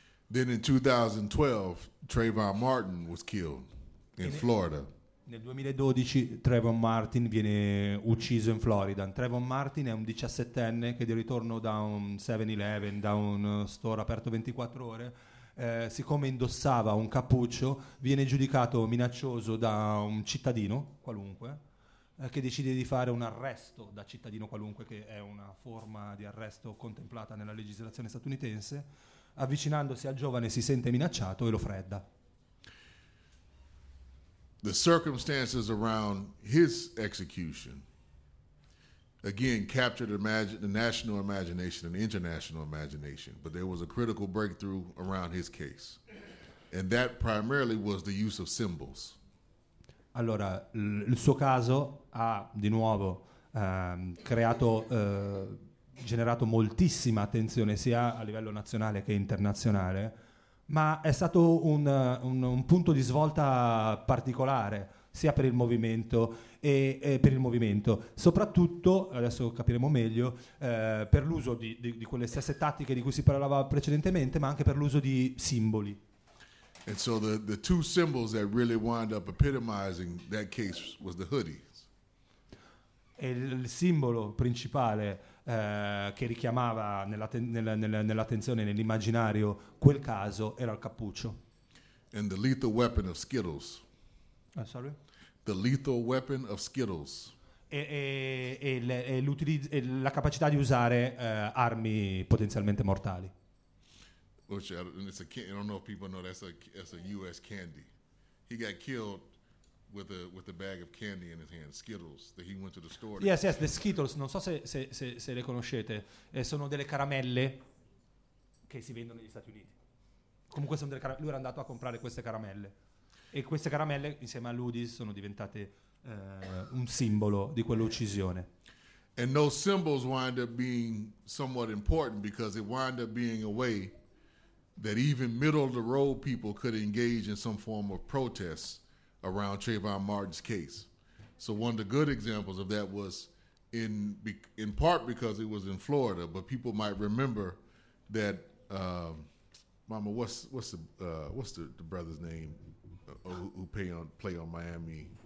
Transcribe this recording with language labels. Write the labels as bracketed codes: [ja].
[en] Then in 2012 Trayvon Martin was killed in Florida. [it] Nel 2012 Trayvon Martin viene ucciso in Florida. Trayvon Martin è un 17enne che di ritorno da un 7-Eleven, da un store aperto 24 ore, siccome indossava un cappuccio, viene giudicato minaccioso da un cittadino qualunque, che decide di fare un arresto da cittadino qualunque, che è una forma di arresto contemplata nella legislazione statunitense. Avvicinandosi al giovane si sente minacciato e lo fredda. [en] The circumstances around his execution, again, captured the national imagination and international imagination, but there was a critical breakthrough around his case. And that primarily was the use of symbols. [it] Allora, il suo caso ha di nuovo generato moltissima attenzione sia a livello nazionale che internazionale. Ma è stato un punto di svolta particolare sia per il movimento e per il movimento, soprattutto, adesso capiremo meglio, per l'uso di quelle stesse tattiche di cui si parlava precedentemente, ma anche per l'uso di simboli. [en] And so the two symbols that really wind up epitomizing that case was the hoodies. [it] E il simbolo principale che richiamava nell'attenzione, nell'immaginario, quel caso era il cappuccio. [en] And the lethal weapon of Skittles. Sorry? The lethal weapon of Skittles. [it] E la capacità di usare armi potenzialmente mortali. [en] Which I don't know if people know that's a US candy. He got killed with a bag of candy in his hand, Skittles, that he went to the store. Yes, [it] the Skittles, non so se le conoscete, sono delle caramelle che si vendono negli Stati Uniti. Comunque sono delle caramelle, lui era andato a comprare queste caramelle. E queste caramelle, insieme a Ludis, sono diventate un simbolo di quell'uccisione. [en] And those symbols wind up being somewhat important because it wind up being a way that even middle of the road people could engage in some form of protest around Trayvon Martin's case. So one of the good examples of that was in part because it was in Florida, but people might remember that Mama, what's the brother's name who play on Miami?